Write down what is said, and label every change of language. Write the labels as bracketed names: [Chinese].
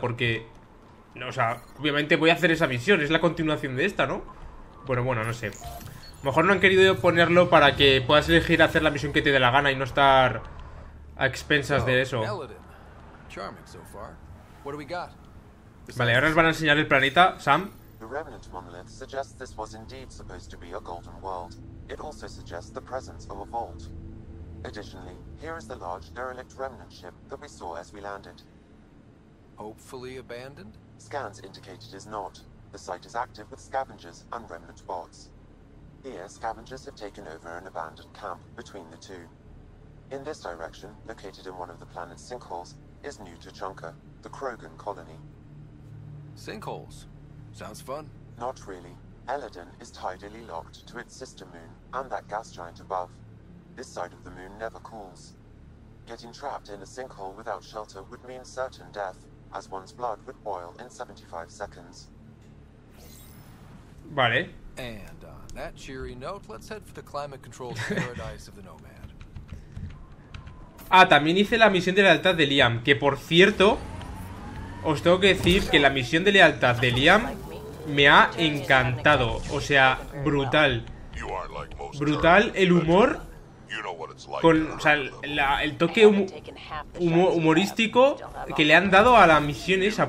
[Spanish] Porque, no, o sea, obviamente voy a hacer esa misión. Es la continuación de esta, ¿no? Bueno, no sé. Mejor no han querido ponerlo para que puedas elegir hacer la misión que te dé la gana y no estar a expensas de eso. Vale, ahora os van a enseñar el planeta, Sam. [English] The Revenant monolith suggests this was indeed supposed to be a golden world. It also suggests the presence of a vault. Additionally, here is the large derelict remnant ship that we saw as we landed. Hopefully abandoned? Scans indicate it is not. The site is active with scavengers and remnant bots. Here, scavengers have taken over an abandoned camp between the two. In this direction, located in one of the planet's sinkholes, is New T'Chunka, the Krogan colony. Sinkholes. Sounds fun. Not really. Eladin is tidally locked to its sister moon and that gas giant above. This side of the moon never cools. Getting trapped in a sinkhole without shelter would mean certain death, as one's blood would boil in 75 seconds. [Spanish] Vale. [English] And on that cheery note, let's head for the climate-controlled paradise of the Nomad. [Spanish] Ah, también hice la misión de lealtad de Liam, que por cierto... Os tengo que decir que la misión de lealtad de Liam me ha encantado. O sea, brutal. Brutal el humor. Con, o sea, el toque humorístico que le han dado a la misión esa.